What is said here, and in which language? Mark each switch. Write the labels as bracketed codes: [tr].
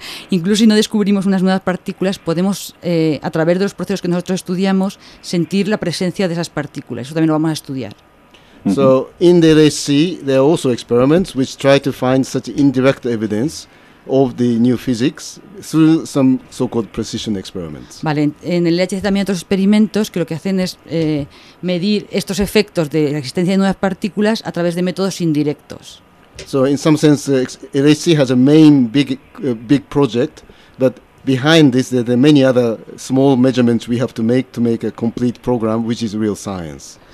[es] Incluso si no descubrimos unas nuevas partículas, podemos, a través de los procesos que nosotros estudiamos, sentir la presencia de esas partículas. Eso también lo vamos a estudiar. [en] So in the LHC, there are also experiments which try to find such indirect evidence of the new physics through some so-called precision experiments. [es] Vale, en el LHC también hay otros experimentos que lo que hacen es medir estos efectos de la existencia de nuevas partículas a través de métodos indirectos. [en] So in some sense, LHC has a main big project, but behind this, there are many other small measurements we have to make a complete program, which is real science.